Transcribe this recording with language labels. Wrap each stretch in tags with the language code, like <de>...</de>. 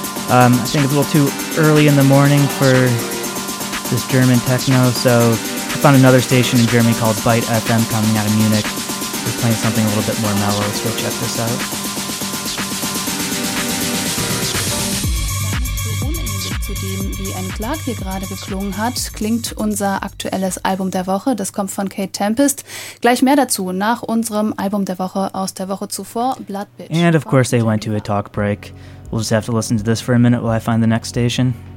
<en>I think it's a little too early in the morning for this German techno, so I found another station in Germany called Byte FM coming out of Munich. We're playing something a little bit more mellow, so check this out.</en> <de>Schlag, hier gerade geklungen hat, klingt unser aktuelles Album der Woche. Das kommt von Kate Tempest. Gleich mehr dazu nach unserem Album der Woche aus der Woche zuvor, Blood Bitch.</de> <en>And of course they went to a talk break. We'll just have to listen to this for a minute while I find the next station.</en>